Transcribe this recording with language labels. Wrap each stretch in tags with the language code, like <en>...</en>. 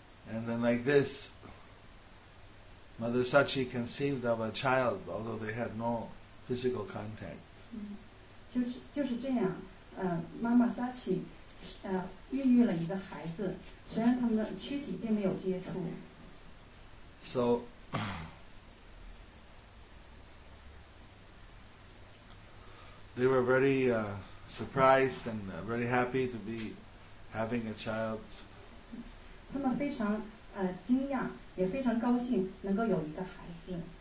<en>And then like this, Mother Sachi conceived of a child, although they had no physical contact.</en> <zh>就是这样。妈妈Sachi孕育了一个孩子，虽然他们的躯体并没有接触。</zh> <en>So, they were very surprised and very happy to be having a child.</en> <zh>他们非常惊讶，也非常高兴能够有一个孩子。</zh>